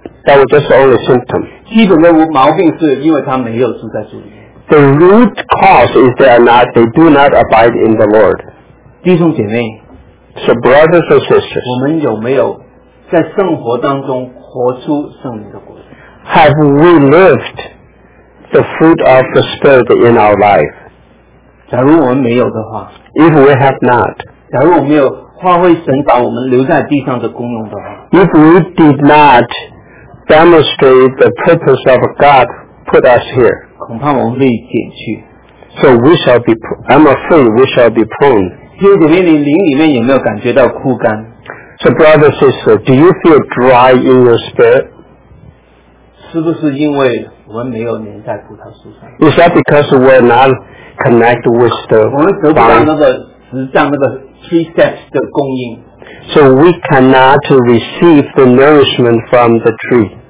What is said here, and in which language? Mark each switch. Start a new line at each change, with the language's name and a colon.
English: That was just only symptom。
Chinese: 基本的毛病是因为它没有住在主里面。
English: The root cause is they do not abide in the Lord。
Chinese: 弟兄姐妹
English: ，So brothers and sisters，
Chinese: 我们有没有在生活当中活出圣灵的果子？
English: Have we lived the fruit of the Spirit in our life?
Chinese: 假如我们没有的话，
English: If we have not,
Chinese: 假如我们没有发挥神把我们留在地上的功用的话，
English: If we did not demonstrate the purpose of God put us here,
Chinese: 恐怕我们被减去。
English: So we shall be, I'm afraid we shall be prone.
Chinese: 弟兄姐妹，你灵里面有没有感觉到枯干？
English: So brother, sister, do you feel dry in your spirit?
Chinese: 是不是因为我们没有粘在葡萄树上？
English: Is that because we're not connect with the
Chinese: 我们得不到那个实际上那个
English: three steps
Chinese: 的供应。
English: So we cannot receive the nourishment from the tree.